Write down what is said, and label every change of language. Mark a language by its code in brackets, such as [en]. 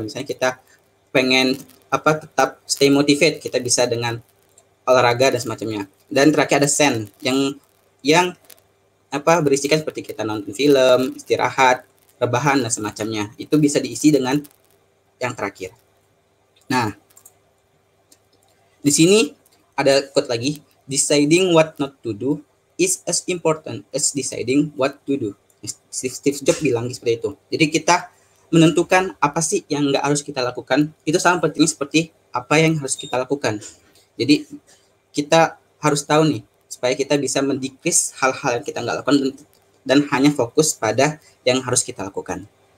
[id] Misalnya kita pengen apa tetap [en] stay motivated, [id] kita bisa dengan olahraga dan semacamnya. Dan terakhir ada sand yang apa berisikan seperti kita nonton film, istirahat, rebahan dan semacamnya. Itu bisa diisi dengan yang terakhir. Nah, di sini ada quote lagi, [en] deciding what not to do is as important as deciding what to do. [id] Steve Jobs bilang seperti itu. Jadi kita menentukan apa sih yang enggak harus kita lakukan, itu sama pentingnya seperti apa yang harus kita lakukan. Jadi kita harus tahu nih supaya kita bisa mendikis hal-hal yang kita nggak lakukan dan hanya fokus pada yang harus kita lakukan.